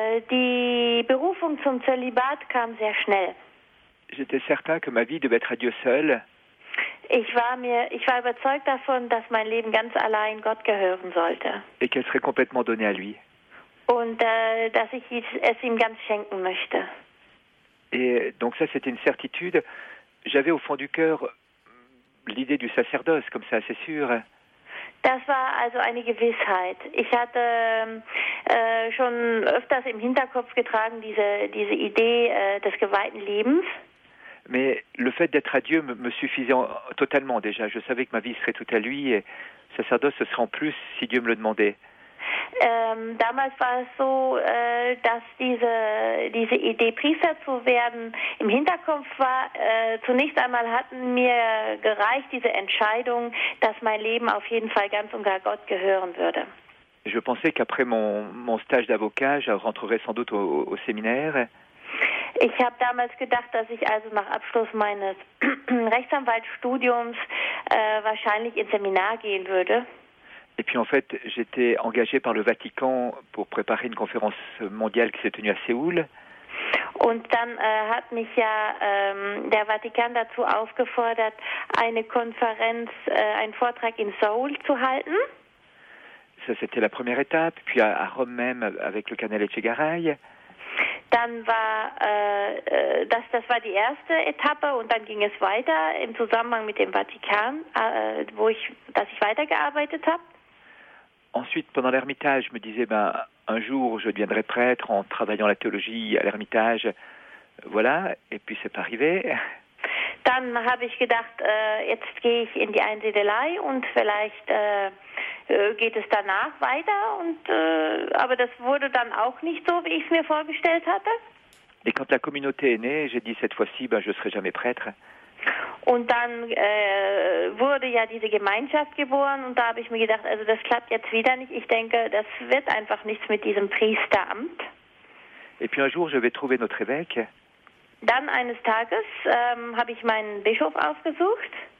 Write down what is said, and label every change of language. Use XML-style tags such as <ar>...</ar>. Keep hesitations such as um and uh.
<de>die Berufung zum Zölibat kam sehr schnell.</de> <fr>J'étais certain que ma vie devait être à Dieu seul.</fr> <de>Ich war mir, ich war überzeugt davon, dass mein Leben ganz allein Gott gehören sollte.</de> <fr>Et qu'elle serait complètement donnée à lui.</fr> <de>Und äh, dass ich es ihm ganz schenken möchte.</de> <fr>Et donc ça, c'était une certitude. J'avais au fond du cœur l'idée du sacerdoce, comme ça, c'est sûr.</fr> <de>Das war also eine Gewissheit. Ich hatte äh, schon öfters im Hinterkopf getragen diese, diese Idee äh, des geweihten Lebens.</de> <fr>Mais le fait d'être à Dieu me, me, suffisait totalement déjà. Je savais que ma vie serait tout à lui et sacerdoce ce serait en plus si Dieu me le demandait.</fr> <de>Ähm, damals war es so, äh, dass diese, diese Idee, Priester zu werden, im Hinterkopf war. Äh, zunächst einmal hatten mir gereicht diese Entscheidung, dass mein Leben auf jeden Fall ganz und gar Gott gehören würde.</de> <fr>Je pensais qu'après mon, mon stage d'avocat, je rentrerais sans doute au, au séminaire.</fr> <de>Ich habe damals gedacht, dass ich also nach Abschluss meines Rechtsanwaltsstudiums äh, wahrscheinlich ins Seminar gehen würde.</de> <fr>Et puis en fait, j'étais engagé par le Vatican pour préparer une conférence mondiale qui s'est tenue à Séoul.</fr> <de>Und dann äh, hat mich ja ähm, der Vatikan dazu aufgefordert, eine Konferenz, äh, einen Vortrag in Seoul zu halten.</de> <fr>Ça, c'était la première étape. Puis à, à, Rome même, avec le canal Echegaray.</fr> <de>Dann war äh, das, das war die erste Etappe und dann ging es weiter im Zusammenhang mit dem Vatikan, wo ich, dass ich weitergearbeitet habe.</de> <fr>Ensuite, pendant l'ermitage, je me disais, ben, un jour, je deviendrai prêtre en travaillant la théologie à l'ermitage. Voilà, et puis c'est pas arrivé.</fr> <de>Dann habe ich gedacht, äh, jetzt gehe ich in die Einsiedelei und vielleicht äh, geht es danach weiter. Und, äh, aber das wurde dann auch nicht so, wie ich es mir vorgestellt hatte.</de> <fr>Et quand la communauté est née, j'ai dit cette fois-ci, ben, je ne serai jamais prêtre.</fr> <de>Und dann äh, wurde ja diese Gemeinschaft geboren und da habe ich mir gedacht, also das klappt jetzt wieder nicht. Ich denke, das wird einfach nichts mit diesem Priesteramt.</de> <fr>Et puis un jour, je vais trouver notre évêque.</fr> <de>Dann eines Tages ähm, habe ich meinen Bischof aufgesucht.</de>